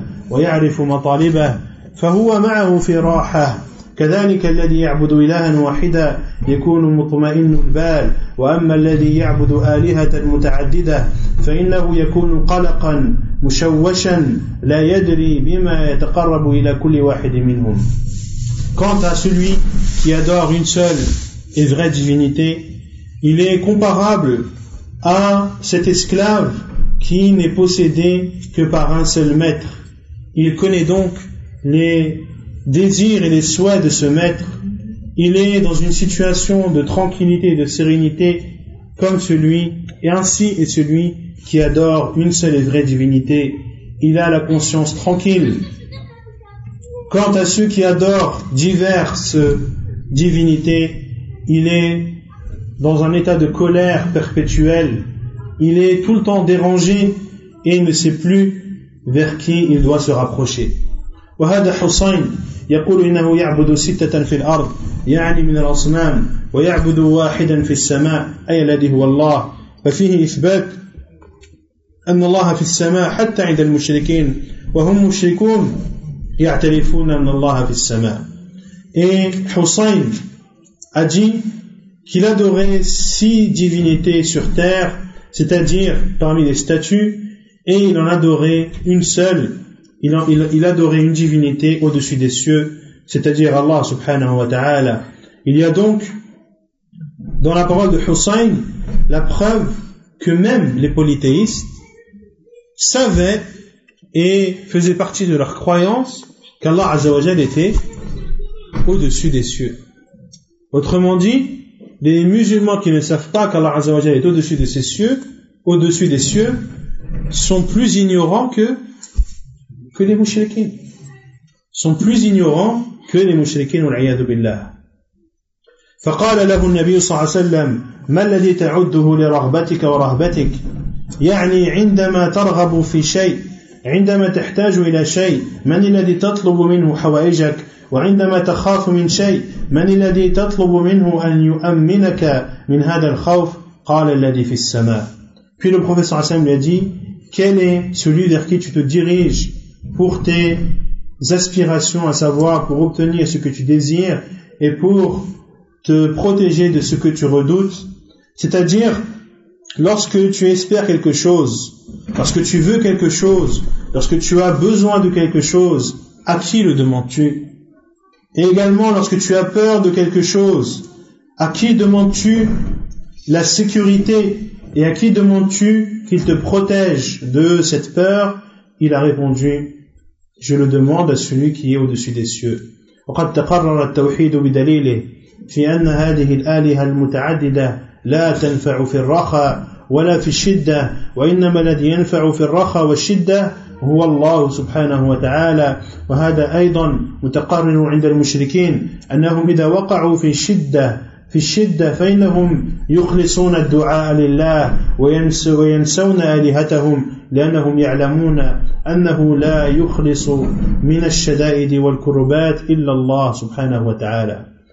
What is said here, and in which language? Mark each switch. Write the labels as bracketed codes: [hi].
[ar] ويعرف مطالبه فهو معه في راحة كذلك الذي يعبد إلها واحدا يكون مطمئن البال وأما الذي يعبد آلهة متعددة فإنه يكون قلقا مشوشا لا يدري بما يتقرب إلى كل واحد منهم. [fr] Quant à celui qui adore une seule et vraie divinité, il est comparable à cet esclave qui n'est possédé que par un seul maître. Il connaît donc les désirs et les souhaits de ce maître. il est dans une situation de tranquillité et de sérénité comme celui, et ainsi est celui qui adore une seule et vraie divinité. Il a la conscience tranquille. Quant à ceux qui adorent diverses divinités, il est dans un état de colère perpétuelle. Il est tout le temps dérangé et ne sait plus vers qui il doit se rapprocher. [ar] وهذا حسين يقول إنه يعبد ستة في الأرض يعني من الأصنام ويعبد واحدا في السماء أي الذي هو الله ففيه إثبات أن الله في السماء حتى عند المشركين وهم مشركون يعترفون أن الله في السماء. [fr] Et حسين a dit qu'il adorait six divinités sur terre, c'est-à-dire parmi les statues, et il en adorait une seule. Il adorait une divinité au-dessus des cieux, c'est-à-dire Allah subhanahu wa ta'ala. Il y a donc, dans la parole de Hussein, la preuve que même les polythéistes savaient et faisaient partie de leur croyance qu'Allah azawajal était au-dessus des cieux. Autrement dit, les musulmans qui ne savent pas qu'Allah azawajal est au-dessus de ses cieux, au-dessus des cieux, sont plus ignorants que les mouchriquins, sont plus ignorants que les mouchriquins, wal'iyadu billah. [ar] فقال له النبي صلى الله عليه وسلم ما الذي تعده لرغبتك ورهبتك يعني عندما ترغب في شيء عندما تحتاج إلى شيء من الذي تطلب منه حوائجك وعندما تخاف من شيء من الذي تطلب منه أن يؤمنك من هذا الخوف قال الذي في السماء. [fr] Puis le prophète صلى الله عليه وسلم lui a dit, quel est celui vers qui tu te diriges pour tes aspirations, à savoir pour obtenir ce que tu désires et pour te protéger de ce que tu redoutes, c'est-à-dire lorsque tu espères quelque chose, lorsque tu veux quelque chose, lorsque tu as besoin de quelque chose, à qui le demandes-tu? Et également lorsque tu as peur de quelque chose, à qui demandes-tu la sécurité et à qui demandes-tu qu'il te protège de cette peur? Il a répondu, je le demande à celui qui est au-dessus des cieux. [ar] وقد تقرر التوحيد بدليله في أن هذه الآلهة المتعددة لا تنفع في الرخاء ولا في الشدة وإنما الذي ينفع في الرخاء والشدة هو الله سبحانه وتعالى وهذا أيضا متقرر عند المشركين أنهم إذا وقعوا في الشدة فإنهم يخلصون الدعاء لله وينسون آلهتهم لأنهم يعلمون أنه لا يخلص من الشدائد والكربات إلا الله سبحانه وتعالى.